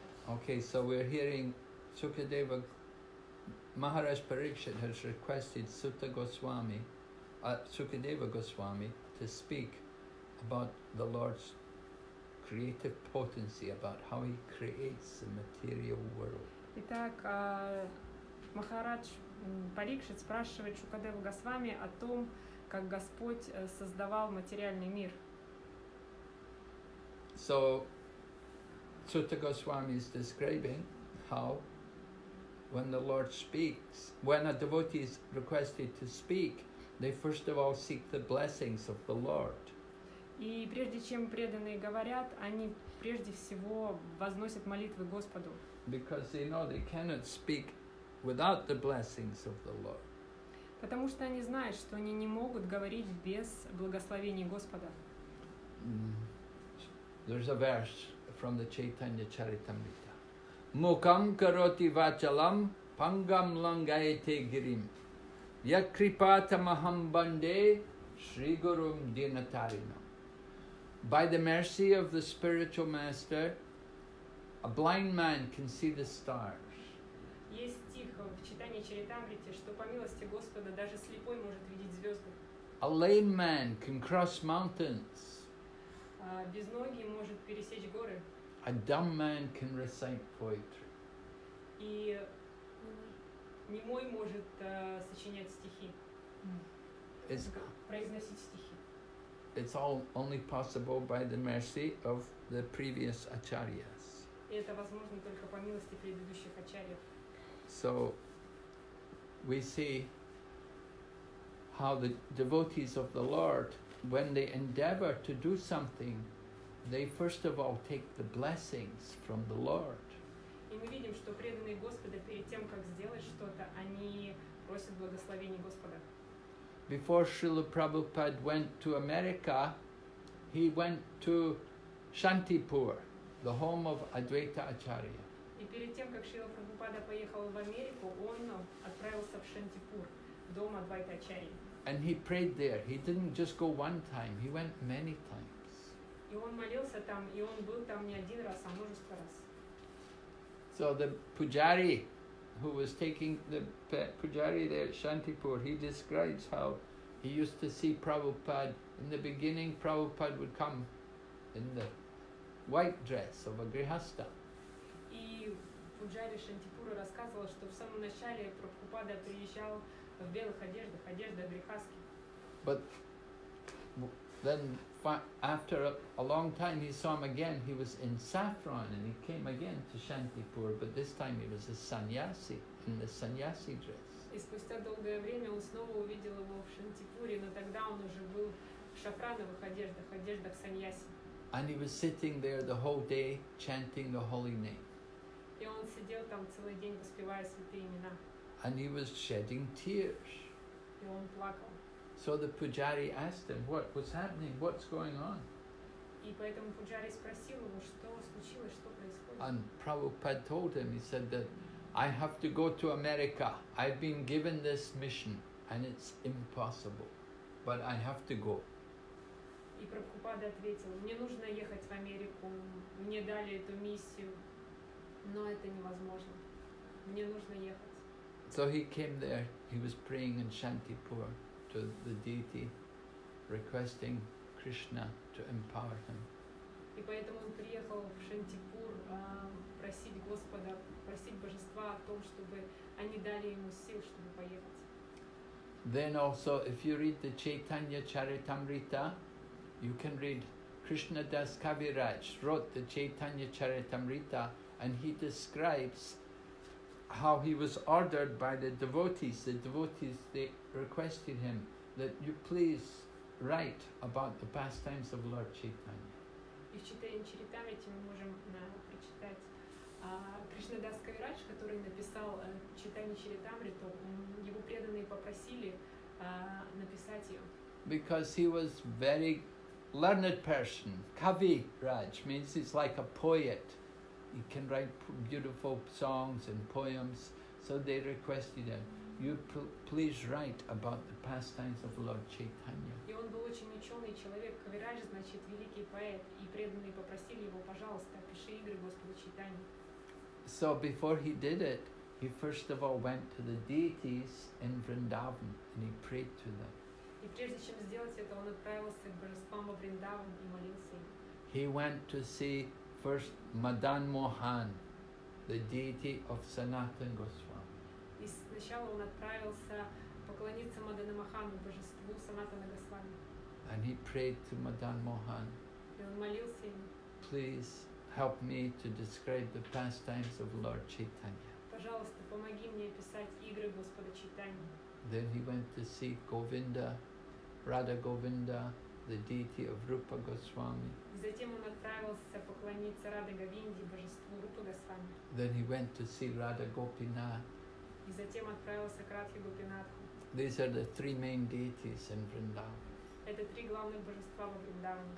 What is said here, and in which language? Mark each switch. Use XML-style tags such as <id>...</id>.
<en>Okay, so we're hearing Sukadeva Maharaj Parikshit has requested Sutta Goswami, Sukadeva Goswami, to speak about the Lord's creative potency, about how he creates the material world.</en> <ru>Итак, Махарадж Парикшит спрашивает Шукадеву Госвами о том, как Господь создавал материальный мир.</ru> <en>So Sutta Goswami is describing how when the Lord speaks, when a devotee is requested to speak, they first of all seek the blessings of the Lord.</en> <ru>И прежде чем преданные говорят, они прежде всего возносят молитвы Господу.</ru> <en>Because they know they cannot speak without the blessings of the Lord.</en> <ru>Потому что они знают, что они не могут говорить без благословений Господа.</ru> <en>There's a verse from the Chaitanya Charitamrita.</en> <sa>Mukam karoti vachalam pangam langayate girim yakripata mahambande shri gurum dinatarino.</sa> <en>By the mercy of the spiritual master, a blind man can see the stars.</en> <ru>Есть стих в Читании Чаритамрите, что по милости Господа даже слепой может видеть звезды.</ru> <en>A lame man can cross mountains.</en> <ru>Безногий может пересечь горы.</ru> <en>A dumb man can recite poetry.</en> <ru>И немой может сочинять стихи. Произносить стихи.</ru> <en>It's all only possible by the mercy of the previous acharyas.</en> <ru>Это возможно только по милости предыдущих ачарьев.</ru> <en>So we see how the devotees of the Lord, when they endeavor to do something, they first of all take the blessings from the Lord.</en> <ru>И мы видим, что преданные Господа перед тем, как сделать что-то, они просят благословения Господа.</ru> <en>Before Srila Prabhupada went to America, he went to Shantipur, the home of Advaita Acharya.</en> <ru>И перед тем, как Шрила Прабхупада поехал в Америку, он отправился в Шантипур, дом Адвайта Ачарьи.</ru> <en>And he prayed there. He didn't just go one time, he went many times.</en> <ru>И он молился там, и он был там не один раз, а множество раз.</ru> <en>So the pujari who was taking the pujari there at Shantipur, he describes how he used to see Prabhupada. In the beginning, Prabhupada would come in the white dress of a grihastha.</en> <ru>И пуджари Шантипура рассказывал, что в самом начале Прабхупада приезжал в белых одеждах, одежда грихасхи.</ru> <en>But then after a long time he saw him again, he was in saffron, and he came again to Shantipur, but this time he was a sannyasi, in the sannyasi dress.</en> <ru>И спустя долгое время он снова увидел его в Шантипуре, но тогда он уже был в шафрановых одеждах, одеждах саньяси.</ru> <en>And he was sitting there the whole day chanting the holy name.</en> <ru>И он сидел там целый день, воспевая святые имена.</ru> <en>And he was shedding tears.</en> <ru>И он плакал.</ru> <en>So the pujari asked him, what was happening? What's going on?</en> <ru>И поэтому пуджари спросил его, что случилось, что происходит.</ru> <en>And Prabhupada told him, he said that I have to go to America. I've been given this mission and it's impossible. But I have to go.</en> <ru>И Прабхупада ответил, мне нужно ехать в Америку. Мне дали эту миссию, но это невозможно. Мне нужно ехать.</ru> <en>So he came there, he was praying in Shantipur to the deity, requesting Krishna to empower him.</en> <ru>И поэтому он приехал в Шантипур просить Господа, просить Божества о том, чтобы они дали ему сил, чтобы поехать.</ru> <en>Then also, if you read the Chaitanya Charitamrita, you can read Krishna Das Kaviraj wrote the Chaitanya Charitamrita, and he describes how he was ordered by the devotees. The devotees, they requested him that you please write about the pastimes of Lord Chaitanya.</en> <ru>И в Читании Чаритамрите мы можем прочитать Кришна Дас Кавирадж, который написал Читание Чаритамриту, его преданные попросили написать ее.</ru> <en>because he was very learned person. Kavi Raj means he's like a poet. He can write beautiful songs and poems. So they requested him, you please write about the pastimes of Lord Chaitanya.</en> <ru>И он был очень ученый человек. Кавираж значит великий поэт. И преданные попросили его, пожалуйста, пиши игры Господу Чайтанье.</ru> <en>So before he did it, he first of all went to the deities in Vrindavan and he prayed to them.</en> <ru>И прежде чем сделать это, он отправился к божествам во Вриндаван и молился им.</ru> <en>He went to see first Madan Mohan, the deity of Sanatan Goswami.</en> <ru>И сначала он отправился поклониться Мадана Махану, божеству Санатана Госвами.</ru> <en>And he prayed to Madan Mohan.</en> <ru>И он молился им.</ru> <en>Please help me to describe the pastimes of Lord Chaitanya.</en> <ru>Пожалуйста, помоги мне описать игры Господа Чайтаньи.</ru> <en>Then he went to see Govinda, Radha Govinda, the deity of Rupa Goswami.</en> <ru>Затем он отправился поклониться Раде Говинде, божеству Рупа Госвами.</ru> <en>Then he went to see Radha Gopinath.</en> <ru>И затем отправился к Радхе Гопинатху.</ru> <en>These are the three main deities in Vrindavan.</en> <ru>Это три главных божества во Вриндаване.</ru>